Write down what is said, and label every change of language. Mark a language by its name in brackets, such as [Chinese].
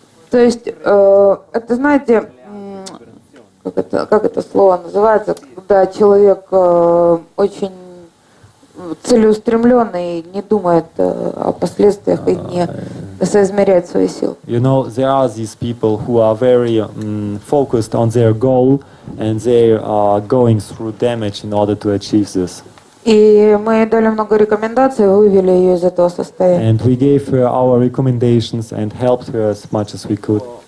[Russian] То есть, это знаете, как это слово называется, когда человек очень целеустремленный, не думает о последствиях и не соизмеряет свои силы. [English] You know, there are these people who are very focused on their goal, and they are going through damage in order to achieve this. [Russian] И мы дали много рекомендаций, вывели ее из этого состояния. [English] And we gave her our recommendations and helped her as much as we could.